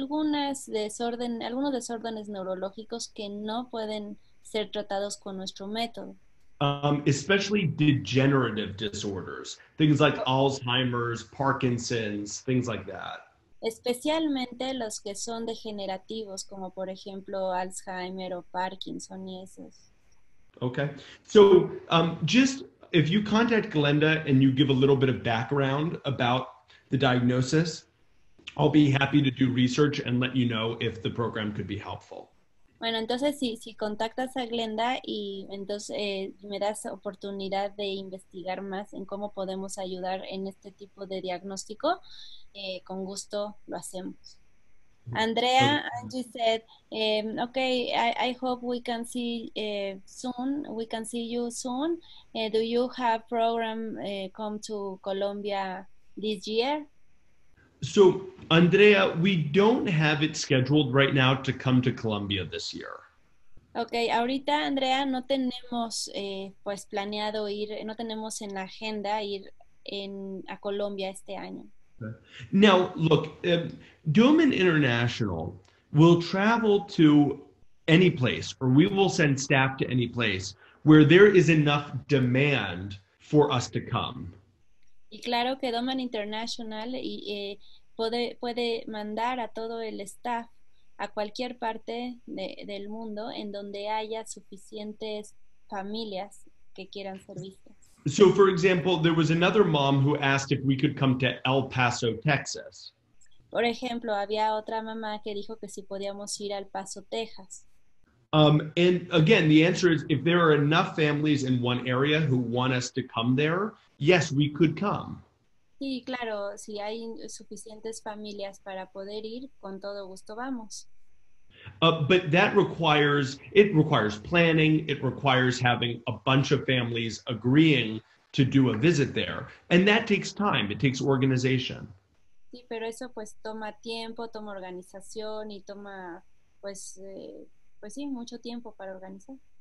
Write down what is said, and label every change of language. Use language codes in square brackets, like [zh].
[es] Hay algunos desórdenes neurológicos que no pueden ser tratados con nuestro método. [en] Especially degenerative disorders, things like Alzheimer's, Parkinson's, things like that. [es] Especialmente los que son degenerativos, como por ejemplo Alzheimer o Parkinson y esos. [en] Okay, so just if you contact Glenda and you give a little bit of background about the diagnosis, I'll be happy to do research and let you know if the program could be helpful. [es] Bueno, entonces si contactas a Glenda y entonces me das oportunidad de investigar más en cómo podemos ayudar en este tipo de diagnóstico, con gusto lo hacemos. [en] Andrea, Angie said, okay, I hope we can see soon. We can see you soon. Do you have program come to Colombia this year? So, Andrea, we don't have it scheduled right now to come to Colombia this year. [es] Okay, ahorita, Andrea, no tenemos pues planeado ir, no tenemos en la agenda ir a Colombia este año. [en] Now, look, Doman International will travel to any place, or we will send staff to any place where there is enough demand for us to come. [es] Y claro que Doman International puede mandar a todo el staff a cualquier parte del mundo en donde haya suficientes familias que quieran ser vistas. [en] So, for example, there was another mom who asked if we could come to El Paso, Texas. [es] Por ejemplo, había otra mamá que dijo que si podíamos ir al Paso, Texas. [en] And again, the answer is if there are enough families in one area who want us to come there, yes, we could come. [es] Sí, claro, si hay suficientes familias para poder ir, con todo gusto vamos. [en] But that requires planning, it requires having a bunch of families agreeing to do a visit there. And that takes time, it takes organization. [es] Sí, pero eso pues toma tiempo, toma organización y toma pues sí, mucho tiempo para organizar.